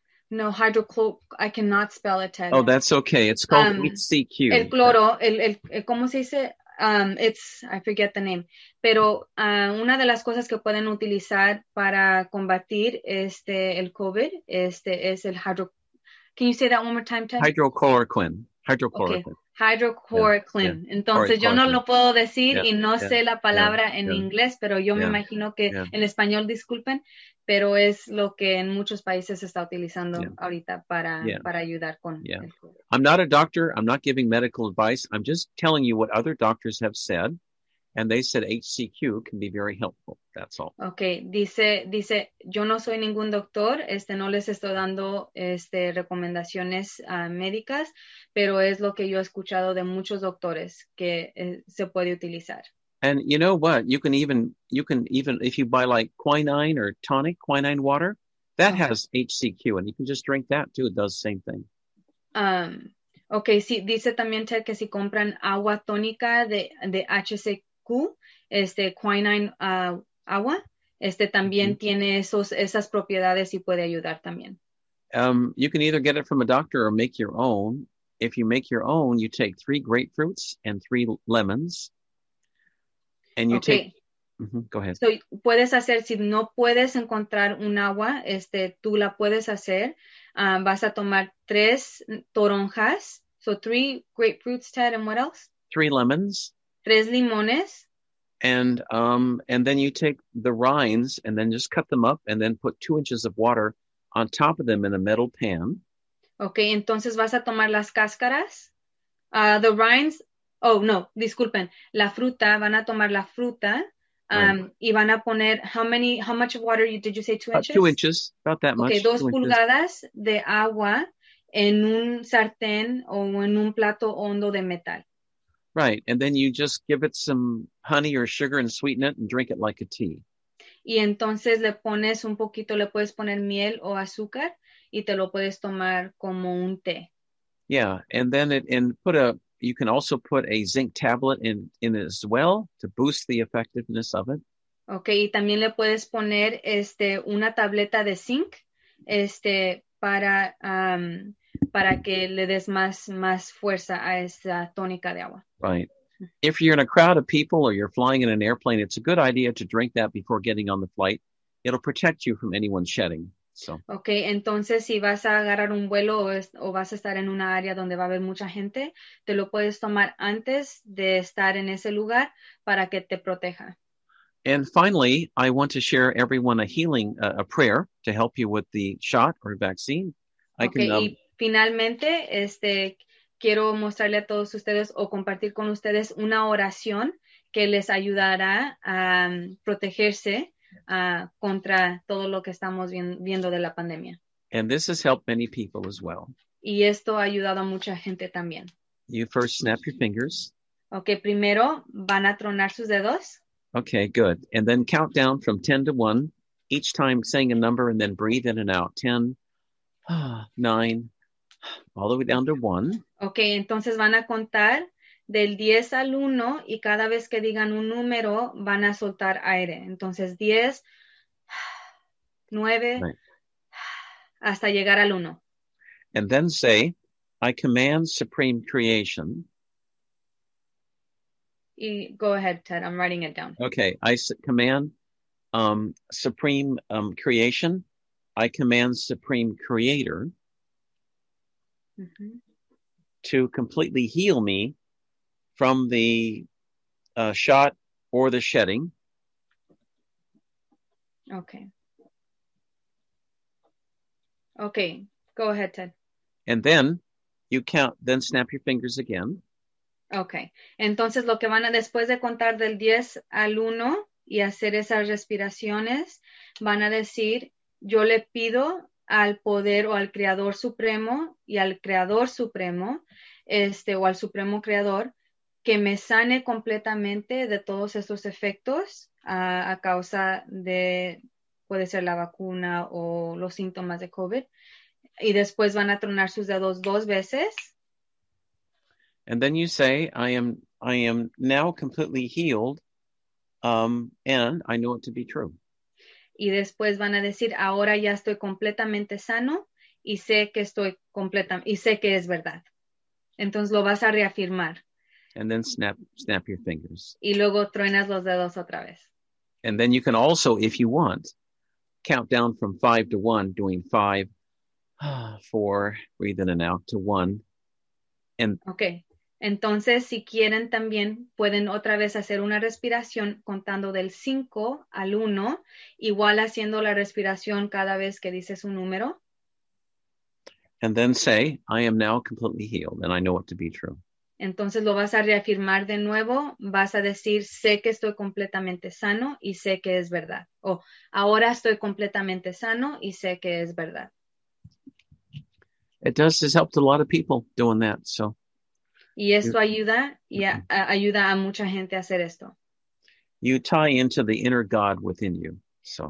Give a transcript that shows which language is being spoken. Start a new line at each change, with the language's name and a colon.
English: No, hydrochloroquine. I cannot spell it. Ted. Oh, that's okay. It's called HCQ.
Spanish: El cloro. El ¿cómo se dice?
English: I forget the name,
Spanish: pero una de las cosas que pueden utilizar para combatir el COVID es el
English: can you say that one more time, Ted? Hydrochloroquine. Hydrochloroquine. Okay. Hydrochloroquine. Yeah.
Spanish: Entonces, yo no lo puedo decir y no sé la palabra en inglés, pero yo me imagino que en español, disculpen, pero es lo que en muchos países se está utilizando ahorita para ayudar con el COVID.
English: I'm not a doctor. I'm not giving medical advice. I'm just telling you what other doctors have said. And they said HCQ can be very helpful. That's all. Okay.
Spanish: Dice, yo no soy ningún doctor. No les estoy dando recomendaciones médicas, pero es lo que yo he escuchado de muchos doctores que se puede utilizar.
English: And you know what? You can even, if you buy like quinine or tonic, quinine water, that has HCQ, and you can just drink that too. It does the same thing. Okay.
Spanish: Sí, dice también Ted que si compran agua tónica de HCQ, quinine agua, también mm-hmm. tiene esas propiedades y puede ayudar también.
English: You can either get it from a doctor or make your own. If you make your own, you take 3 grapefruits and 3 lemons, and you take. Mm-hmm. Go ahead.
Spanish: So puedes hacer, si no puedes encontrar un agua, tú la puedes hacer. Vas a tomar 3 toronjas,
English: so 3 grapefruits, Ted, and what else? 3 lemons.
Spanish: 3 limones.
English: And then you take the rinds and then just cut them up and then put 2 inches of water on top of them in a metal pan.
Spanish: Okay, entonces vas a tomar las cáscaras.
English: The rinds, oh no,
Spanish: disculpen, la fruta, van a tomar la fruta.
English: Right.
Spanish: Y van a poner,
English: how much of water did you say, 2 inches? 2 inches, about that much.
Spanish: Okay, 2 pulgadas de agua en un sartén o en un plato hondo de metal.
English: Right, and then you just give it some honey or sugar and sweeten it and drink it like a tea.
Spanish: Y entonces le pones un poquito, le puedes poner miel o azúcar y te lo puedes tomar como un té.
English: Yeah, and then you can also put a zinc tablet in as well to boost the effectiveness of it.
Spanish: Okay, y también le puedes poner una tableta de zinc para que le des más fuerza a esa tónica de agua.
English: Right. If you're in a crowd of people or you're flying in an airplane, it's a good idea to drink that before getting on the flight. It'll protect you from anyone shedding. So.
Spanish: Okay, entonces si vas a agarrar un vuelo o vas a estar en una área donde va a haber mucha gente, te lo puedes tomar antes de estar en ese lugar para que te proteja.
English: And finally, I want to share everyone a healing, a prayer to help you with the shot or vaccine.
Spanish: Finalmente, quiero mostrarle a todos ustedes o compartir con ustedes una oración que les ayudará a protegerse contra todo lo que estamos viendo de la pandemia.
English: And this has helped many people as well.
Spanish: Y esto ha ayudado a mucha gente también.
English: You first snap your fingers.
Spanish: Okay, primero van a tronar sus dedos.
English: Okay, good. And then count down from 10 to 1, each time saying a number and then breathe in and out. 10, 9, all the way down to 1.
Spanish: Okay, entonces van a contar del 10 al 1 y cada vez que digan un número van a soltar aire. Entonces 10, 9, right, hasta llegar al 1.
English: And then say, I command supreme creation. Y go ahead, Ted, I'm writing it down. Okay, I command supreme creation. I command supreme creator. Mm-hmm. To completely heal me from the shot or the shedding. Okay. Okay, go ahead, Ted. And then you count, then snap your fingers again. Okay.
Spanish: Entonces lo que van a, después de contar del 10 al 1 y hacer esas respiraciones, van a decir, yo le pido al poder o al creador supremo y al creador supremo o al supremo creador que me sane completamente de todos esos efectos a causa de, puede ser la vacuna o los síntomas de COVID, y después van a tronar sus dedos 2 veces.
English: And then you say, I am now completely healed, and I know it to be true.
Spanish: Y después van a decir, ahora ya estoy completamente sano y sé que estoy completa y sé que es verdad. Entonces lo vas a reafirmar.
English: And then snap your fingers.
Spanish: Y luego truenas los dedos otra vez.
English: And then you can also, if you want, count down from 5 to 1, doing 5, 4, breathe in and out to 1. And okay.
Spanish: Entonces, si quieren también, pueden otra vez hacer una respiración contando del 5 al 1, igual haciendo la respiración cada vez que dices un número.
English: And then say, I am now completely healed, and I know it to be true.
Spanish: Entonces lo vas a reafirmar de nuevo, vas a decir, sé que estoy completamente sano y sé que es verdad. O ahora estoy completamente sano y sé que es verdad.
English: It does, has helped a lot of people doing that, so.
Spanish: Y esto ayuda, y ayuda a mucha gente a hacer esto.
English: You tie into the inner God within you, so.